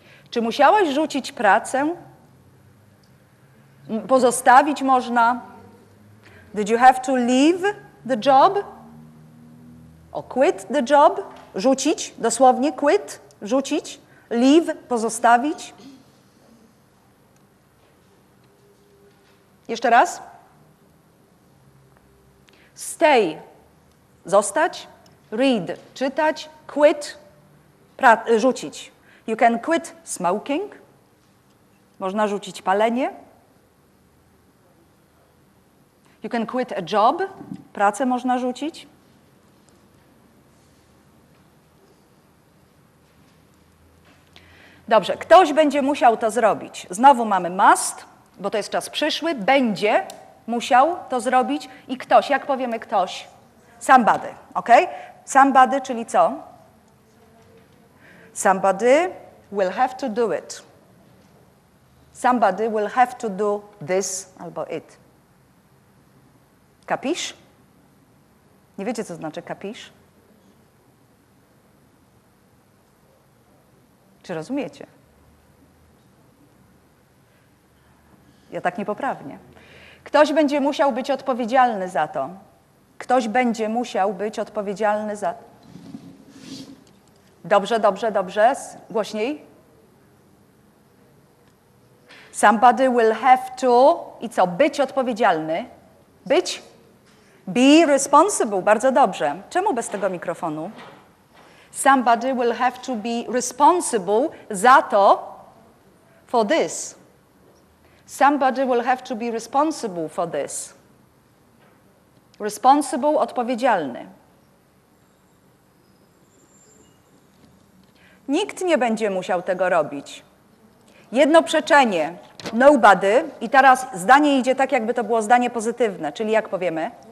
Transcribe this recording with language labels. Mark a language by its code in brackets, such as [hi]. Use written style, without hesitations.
[pl] Czy musiałaś rzucić pracę? Pozostawić można? [en] Did you have to leave the job? Or quit the job? [pl] Rzucić, dosłownie quit, rzucić. Leave, pozostawić. Jeszcze raz. Stay, zostać. Read, czytać. [en] Quit, rzucić. You can quit smoking. [pl] Można rzucić palenie. [en] You can quit a job. [pl] Pracę można rzucić. Dobrze, ktoś będzie musiał to zrobić. Znowu mamy must, bo to jest czas przyszły. Będzie musiał to zrobić. I ktoś, jak powiemy ktoś? Somebody, OK? Somebody, czyli co? [en] Somebody will have to do it. Somebody will have to do this albo it. [pl] Kapisz? Nie wiecie, co znaczy kapisz? Czy rozumiecie? Ja tak niepoprawnie. Ktoś będzie musiał być odpowiedzialny za to. Ktoś będzie musiał być odpowiedzialny za to. Dobrze, dobrze, dobrze. Głośniej. [en] Somebody will have to... [pl] I co? Być odpowiedzialny. Być? [en] Be responsible. [pl] Bardzo dobrze. Czemu bez tego mikrofonu? [en] Somebody will have to be responsible [pl] za to, [en] for this. Somebody will have to be responsible for this. [pl] Responsible, odpowiedzialny. Nikt nie będzie musiał tego robić. Jedno przeczenie, nobody, i teraz zdanie idzie tak, jakby to było zdanie pozytywne, czyli jak powiemy?